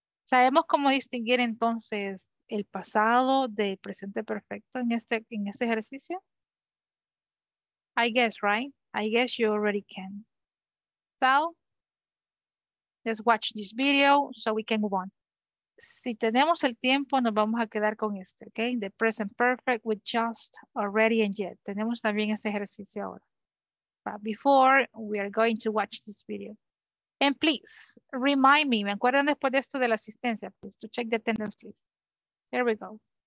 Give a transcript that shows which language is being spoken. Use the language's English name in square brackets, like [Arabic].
[Spanish] ¿Sabemos cómo distinguir entonces el pasado del presente perfecto en este ejercicio? [English] I guess, right? I guess you already can. So, let's watch this video so we can move on. [Spanish] Si tenemos el tiempo, nos vamos a quedar con este, okay? [English] The present perfect with just, already, and yet. [Spanish] Tenemos también este ejercicio ahora. [English] But before, we are going to watch this video. And please, remind me, [Spanish] me acuerdan después de esto de la asistencia, [English] please, to check the attendance, please. Here we go.